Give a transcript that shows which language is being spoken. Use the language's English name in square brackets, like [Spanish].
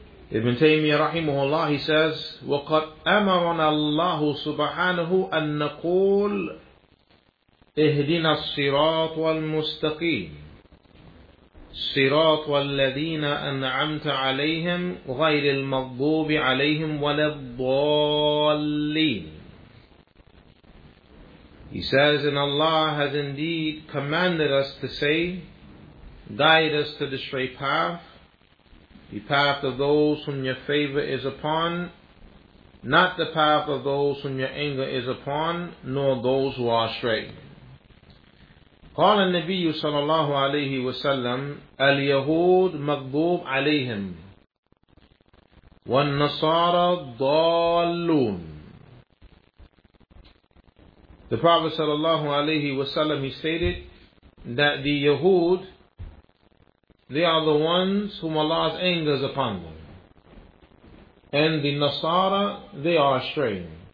[Arabic] Ibn Taymiyyah rahimahullah, [English] he says, [Arabic] وَقَدْ أَمَرَنَا اللَّهُ سُبْحَانَهُ أَن نَقُولَ اهدنا الصراط المستقيم صراط الذين أنعمت عليهم غير المغضوب عليهم ولا الضالين. [English] He says, and Allah has indeed commanded us to say, guide us to the straight path, the path of those whom your favor is upon, not the path of those whom your anger is upon, nor those who are astray. [Arabic] قال النبي صلى الله عليه وسلم اليهود مغضوب عليهم والنصارى ضالون. [English] The Prophet صلى الله عليه وسلم, he stated that the Yahud, they are the ones whom Allah's anger is upon them, and the Nasara, they are astray.